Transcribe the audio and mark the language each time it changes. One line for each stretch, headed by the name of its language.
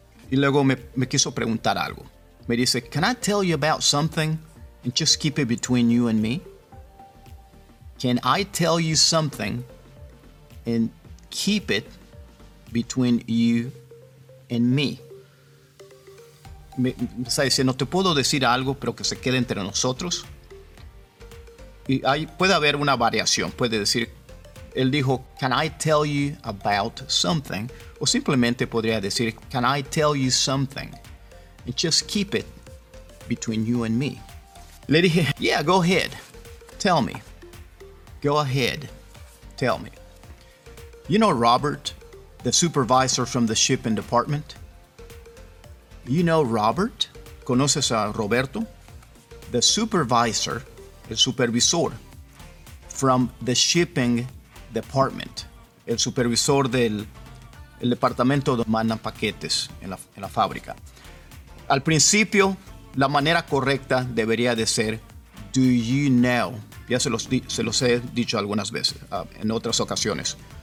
Spanish: Y luego me quiso preguntar algo. Me dice,
English: can I tell you about something and just keep it between you and me? Can I tell you something and keep it between you and me?
Spanish: Me está diciendo, te puedo decir algo, pero que se quede entre nosotros. Y ahí puede haber una variación. Puede decir, él dijo,
English: can I tell you about something?
Spanish: O simplemente podría decir,
English: can I tell you something? And just keep it between you and me.
Spanish: Le dije,
English: yeah, go ahead. Tell me. Go ahead. Tell me. You know Robert, the supervisor from the shipping department? You know Robert?
Spanish: ¿Conoces a Roberto?
English: The supervisor,
Spanish: el supervisor,
English: from the shipping department.
Spanish: El supervisor del el departamento donde mandan paquetes en la fábrica. Al principio, la manera correcta debería de ser,
English: do you know?
Spanish: Ya se los he dicho algunas veces, en otras ocasiones.